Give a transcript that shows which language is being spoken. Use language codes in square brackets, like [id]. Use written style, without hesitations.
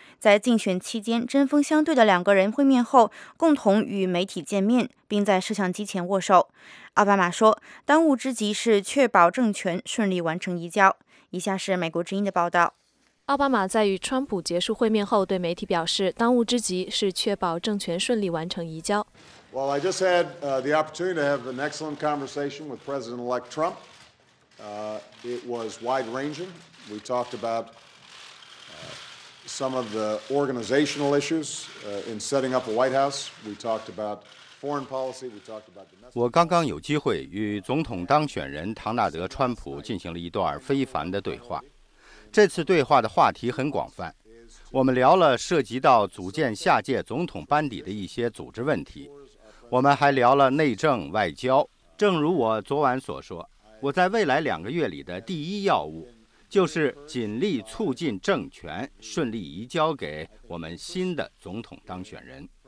[zh] 在竞选期间针锋相对的两个人会面后，共同与媒体见面，并在摄像机前握手。奥巴马说，当务之急是确保政权顺利完成移交。以下是美国之音的报道。奥巴马在与川普结束会面后对媒体表示，当务之急是确保政权顺利完成移交。 [en] Well, I just had the opportunity to have an excellent conversation with President-elect Trump. It was wide-ranging. We talked about some of the organizational issues in setting up a White House. We talked about foreign policy. We talked about domestic. [zh] 我刚刚有机会与总统当选人唐纳德·川普进行了一段非凡的对话。这次对话的话题很广泛，我们聊了涉及到组建下届总统班底的一些组织问题。我们还聊了内政外交。正如我昨晚所说，我在未来两个月里的第一要务就是尽力促进政权顺利移交给我们新的总统当选人。